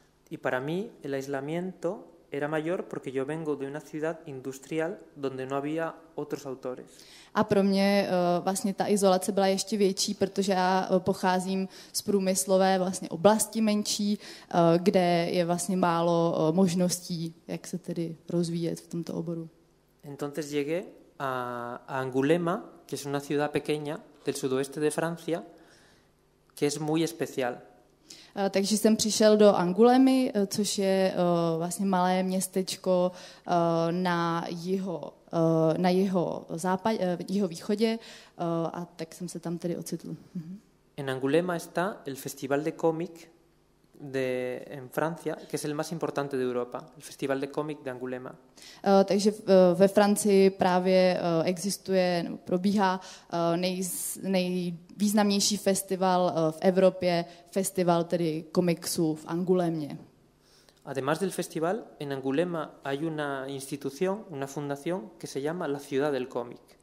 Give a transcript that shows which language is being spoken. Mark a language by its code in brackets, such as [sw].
[es] Y para mí el aislamiento era mayor porque yo vengo de una ciudad industrial donde no había otros autores. [cs] A pro mě vlastně ta izolace byla ještě větší, protože já pocházím z průmyslové vlastně oblasti menší, kde je vlastně málo možností, jak se tedy rozvíjet v tomto oboru. [es] Entonces llegué a Angulema, que es una ciudad pequeña del sudoeste de Francia, que es muy especial. [cs] Takže jsem přišel do Angulemy, což je vlastně malé městečko na jeho východě, a tak jsem se tam tedy ocitl. [es] En Angulema está el Festival de Cómic de en Francia, que es el más importante de Europa, el Festival de Cómic de Angulema. [cs] Takže ve Francii právě existuje, nebo probíhá nejvýznamnější festival v Evropě, festival tedy komiksu v Angulemě. [es] Además del festival, en Angulema hay una institución, una fundación que se llama la Ciudad del Cómic.